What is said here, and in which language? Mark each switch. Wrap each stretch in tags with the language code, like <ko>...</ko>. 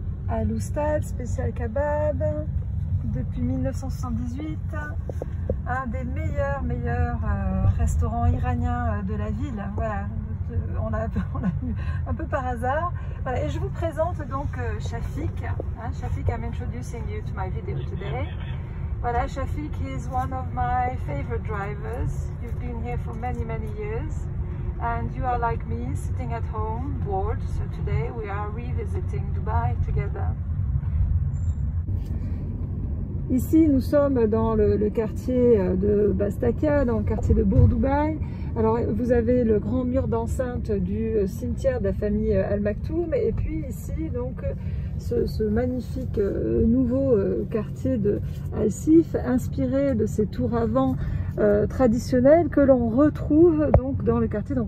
<fr>À l'Oustad, spécial kebab, depuis 1978, un des meilleurs restaurants iraniens de la ville. Voilà, on l'a eu un peu par hasard. Voilà, et je vous présente donc Shafiq. Hein, Shafiq,</fr> <en>I'm introducing you to my video today. Well, Shafiq is one of my favorite drivers. You've been here for many, many years. And you are like me, sitting at home, bored. So today we are revisiting Dubai together.</en> <fr>Ici, nous sommes dans le quartier de Bastakia, dans le quartier de Bourg-Dubaï. Alors, vous avez le grand mur d'enceinte du cimetière de la famille Al Maktoum. Et puis ici, donc, ce magnifique nouveau quartier de Al Sif, inspiré de ces tours avant traditionnelles que l'on retrouve donc dans le quartier.</fr>